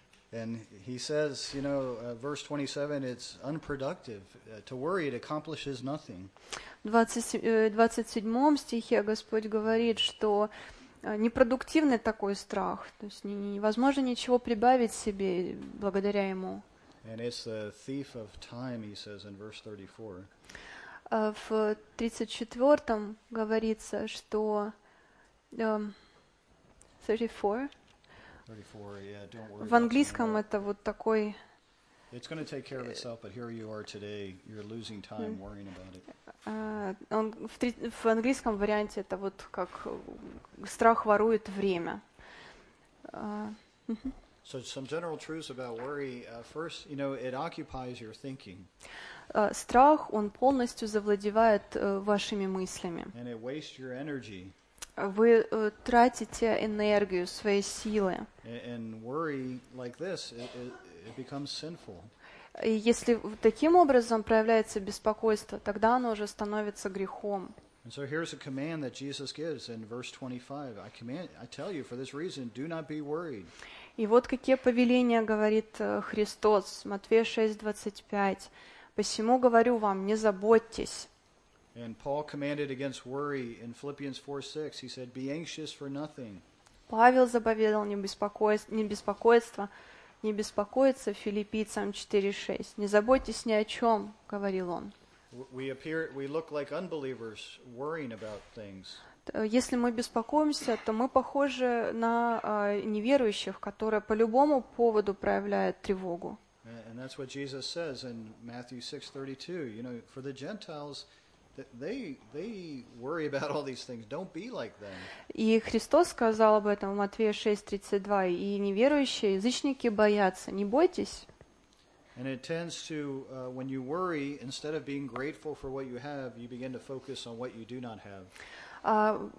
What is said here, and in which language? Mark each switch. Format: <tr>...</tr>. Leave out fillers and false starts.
<en>And he says, you know, verse 27, it's unproductive to worry, it accomplishes nothing.</en> <ru>В 27 стихе Господь говорит, что непродуктивный такой страх, то есть невозможно ничего прибавить себе благодаря ему.</ru> <en>And it's the thief of time, he says in verse 34.</en> <ru>В 34 говорится, что 34.</ru> <en>Yeah,</en> <ru>в английском это вот такой.</ru> <en>It's going to take care of itself, but here you are today. You're losing time worrying about it.</en> <ru>В английском варианте это вот как страх ворует время.</ru> <en>So some general truths about worry. First, you know, it occupies your thinking.</en> <ru>Страх, он полностью завладевает вашими мыслями.</ru> <en>And it wastes your energy.</en> <ru>Вы тратите энергию, свои силы.</ru> <en>And worry like this, it becomes sinful.</en> <ru>И если таким образом проявляется беспокойство, тогда оно уже становится грехом.</ru> <en>And so here's a command that Jesus gives in verse 25. I tell you for this reason, do not be worried.</en> <ru>И вот какие повеления говорит Христос, Матфея 6:25. Посему говорю вам, не заботьтесь.</ru> <en>And Paul commanded against worry in Philippians 4:6. He said, "Be anxious for nothing."</en> <ru>Павел заповедал не беспокойство, не беспокоиться Филиппийцам 4:6. Не заботьтесь ни о чем, говорил он.</ru> <en>We look like unbelievers worrying about things.</en> <ru>Если мы беспокоимся, то мы похожи на неверующих, которые по любому поводу проявляют тревогу.</ru> <en>And that's what Jesus says in Matthew 6:32. You know, for the Gentiles. They worry about all these things. Don't be like them.</en> <ru>И Христос сказал об этом в Матфея 6:32. И неверующие, язычники боятся. Не бойтесь.</ru> <en>And it tends to when you worry, instead of being grateful for what you have, you begin to focus on what you do not have.</en>